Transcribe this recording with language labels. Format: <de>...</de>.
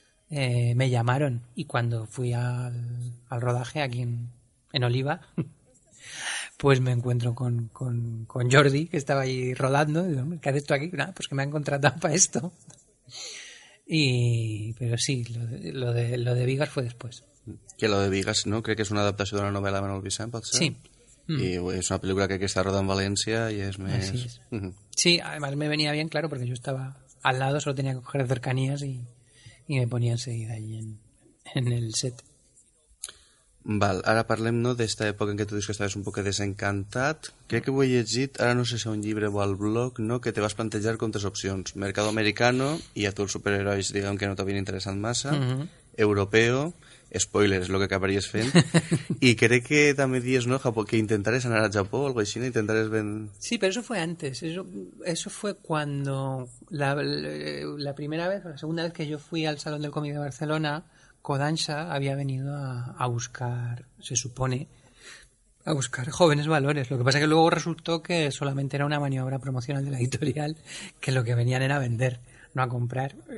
<es>me llamaron, y cuando fui al rodaje aquí en Oliva, pues me encuentro con Jordi, que estaba ahí rodando. Y digo, ¿qué haces tú aquí? Nada, pues que me han contratado para esto. Y pero sí, lo de Vigas fue después. Que lo de Vigas, ¿no?</es> <ca>Crec que és una adaptació d'una novel·la de Manuel Vicent, pot ser? Sí. Mm. I és una pel·lícula que està rodada en València i és més...</ca> <es>Así es. Mm-hmm. Sí, además me venía bien, claro, porque yo estaba al lado, solo tenía que coger cercanías y me ponía enseguida allí en el set.</es> <ca>Val, ara parlem, no, d'esta època en què tu dius que estaves un poc desencantat. Crec que ho he llegit, ara no sé si a un llibre o al blog, no, que te vas plantejar com tres opcions.</ca> <es>Mercado americano,</es> <ca>i a tu els superherois, diguem que no t'havien interessat massa. Mm-hmm.</ca> <es>Europeo, spoilers, lo que</es> <ca>acabaries fent. I crec que també dius, no, Japó, que intentaràs anar a Japó o algo així, intentaràs ven...</ca> <es>Sí, però eso fue antes. Eso fue cuando la primera vez, la segunda vez que yo fui al Salón del Cómic de Barcelona, Kodansha había venido a buscar, se supone, a buscar jóvenes valores. Lo que pasa es que luego resultó que solamente era una maniobra promocional de la editorial, que lo que venían era a vender, no a comprar.</es>